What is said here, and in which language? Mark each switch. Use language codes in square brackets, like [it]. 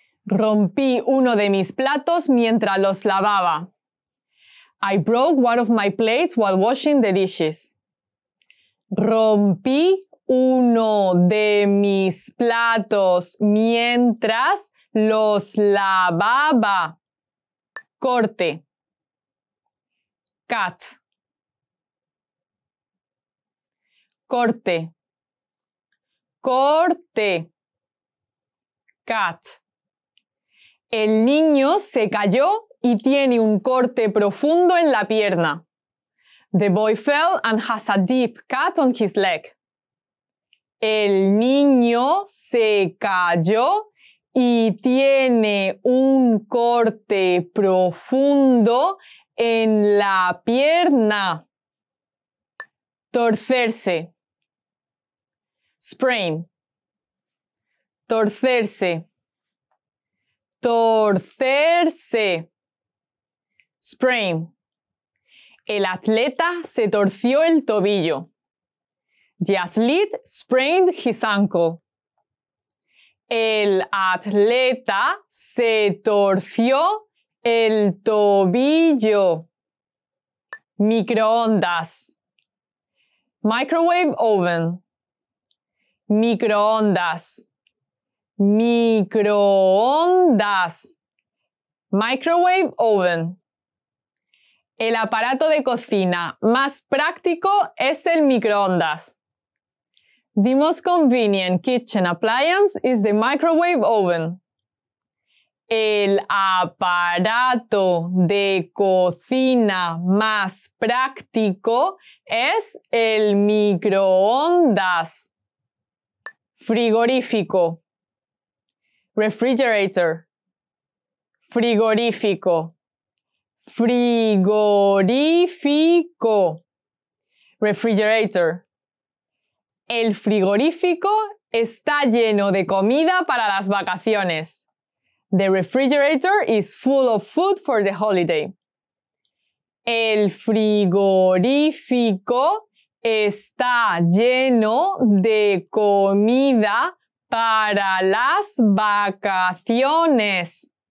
[es] Rompí uno de mis platos mientras los lavaba. [en] I broke one of my plates while washing the dishes. [es] Rompí uno de mis platos mientras los lavaba. Corte. Cut. Corte. Corte. Cut. El niño se cayó y tiene un corte profundo en la pierna. [en] The boy fell and has a deep cut on his leg. [es] El niño se cayó y tiene un corte profundo en la pierna. Torcerse. Sprain. Torcerse. Torcerse. Sprain. El atleta se torció el tobillo. [en] The athlete sprained his ankle. [es] El atleta se torció el tobillo. [en] Microondas. Microwave oven. [es] Microondas. Microondas. [en] Microwave oven. [es] El aparato de cocina más práctico es el microondas. [en] The most convenient kitchen appliance is the microwave oven. [es] El aparato de cocina más práctico es el microondas. Frigorífico. Refrigerator. Frigorífico. Frigorífico. [en] Refrigerator. [es] El frigorífico está lleno de comida para las vacaciones. [en] The refrigerator is full of food for the holiday. [es] El frigorífico está lleno de comida para las vacaciones.